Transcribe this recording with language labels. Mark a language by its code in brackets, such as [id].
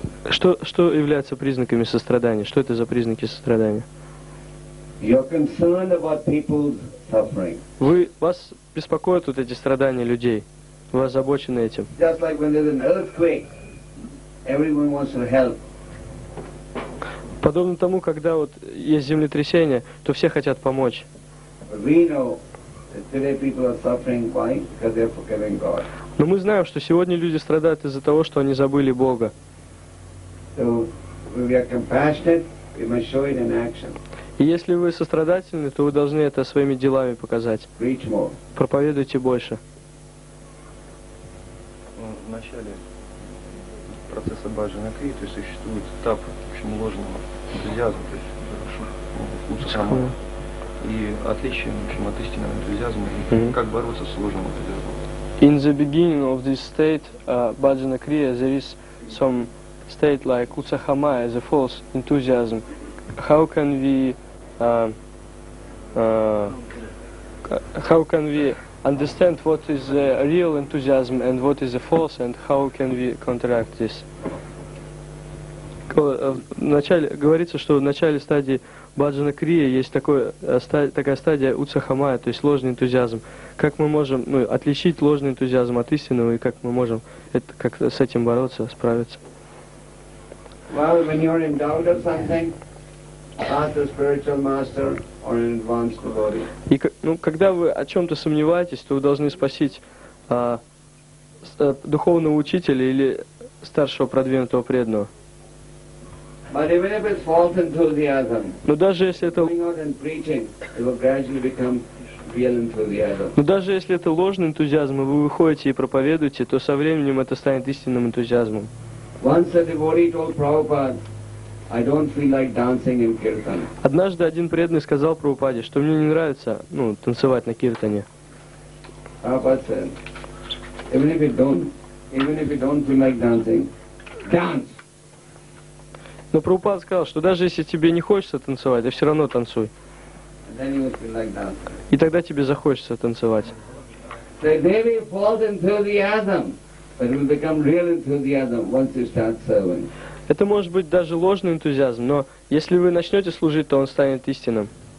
[ru] Что является признаками сострадания? Что это за признаки сострадания? [en] You're concerned about people's suffering. [ru] Вас беспокоят вот эти страдания людей? Вы озабочены этим? [en] Just like when there's an earthquake, everyone wants to help. [ru] Подобно тому, когда вот есть землетрясение, то все хотят помочь. [en] We know that today people are suffering. Why? Because they're forgetting God. [ru] Но мы знаем, что сегодня люди страдают из-за того, что они забыли Бога. [en] So, if we are compassionate, we must show it in action. [ru] Если вы сострадательны, то вы должны это своими делами показать. [en] Preach more. [ru] Проповедуйте больше. В начале процесса баджана крити существует этап, в общем, ложного энтузиазма, то есть хорошо. И отличие, в общем, от истинного энтузиазма, как бороться с ложным энтузиазмом. [en] In the beginning of this state, баджана крия, there is some state like Utsahamaya, the false enthusiasm. How can we how can we understand what is the real enthusiasm and what is the false, and how can we counteract this? [ru] Говорится, что в начале стадии баджана крия есть такая стадия Utsahamaya, то есть ложный энтузиазм. Как мы можем отличить ложный энтузиазм от истинного, и как мы можем как-то с этим бороться, справиться? [en] Well, when you're in doubt of something, ask the spiritual master or an advanced devotee. [ru] И когда вы о чем-то сомневаетесь, то вы должны спросить духовного учителя или старшего продвинутого преданного. [en] But even if it's false enthusiasm, [ru] но даже если это [en] going out and preaching, it will gradually become real enthusiasm. [ru] Но даже если это ложный энтузиазм, и вы выходите и проповедуете, то со временем это станет истинным энтузиазмом. [en] Once a devotee told Prabhupada, I don't feel like dancing in kirtan. [ru] Однажды один преданный сказал Прабхупаде, что мне не нравится, танцевать на киртане. [en] Prabhupada said, even if you don't feel like dancing, dance. [ru] Но Прабхупада сказал, что даже если тебе не хочется танцевать, ты все равно танцуй. And then you will feel like dancing. И тогда тебе захочется танцевать. [en] So maybe you fall into the atom. But it will become real enthusiasm once you start serving. [ru] Это может быть даже ложный энтузиазм, но если вы начнете служить, то он станет истинным.